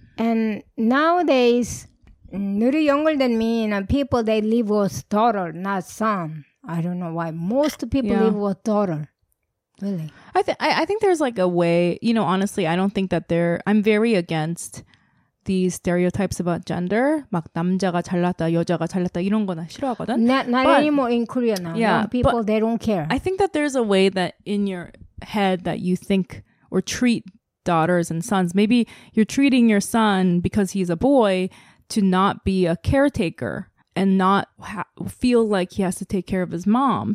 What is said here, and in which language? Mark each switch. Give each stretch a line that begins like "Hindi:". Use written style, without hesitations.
English: And nowadays, little younger than me, and people they live with daughter, not son. I don't know why most people live with daughter. Really? I think there's like a way, you know, honestly, I don't think that I'm very against these stereotypes about gender.
Korean: 막 남자가 잘났다, 여자가 잘났다, 이런 거 나 싫어하거든.
English: Not anymore in Korea now. Yeah, people, they don't care. I think that there's a way that in your head that you think or treat daughters and sons. Maybe you're treating your son because he's a boy to not be a caretaker and not feel like he has to take care of his mom.